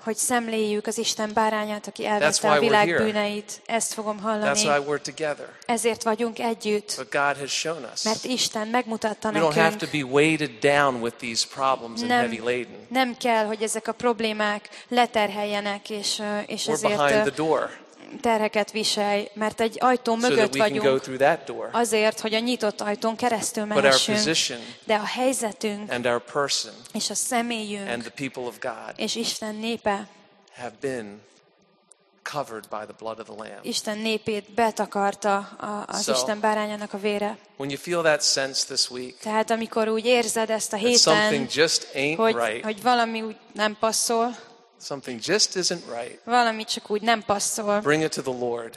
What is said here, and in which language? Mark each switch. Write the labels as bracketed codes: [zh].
[hu] Hogy szemléljük az Isten bárányát, aki elvette a világ bűneit. Ezt fogom hallani. [en] That's why we're together. [hu] Ezért vagyunk együtt. [en] But God has shown us. [hu] Mert Isten megmutatta nekünk. [en] We don't have to be weighted down with these problems and heavy laden. [hu] Nem kell, hogy ezek a problémák leterheljenek és ezért [en] we're behind the door. [hu] Terheket viselj, mert egy ajtó mögött vagyunk, azért, hogy a nyitott ajtón keresztül mehessünk, de a helyzetünk [en] and our person [hu] és a személyünk [en] and the people of God [hu] és Isten népe [en] have been covered by the blood of the Lamb. [hu] Isten népét betakarta az Isten bárányának a vére. [en] When you feel that sense this week, [hu] tehát amikor úgy érzed ezt a héten, [en] something just ain't right, [hu] hogy valami úgy nem passzol, [en] something just isn't right. [hu] Valami csak úgy nem passzol. [en] Bring it to the Lord.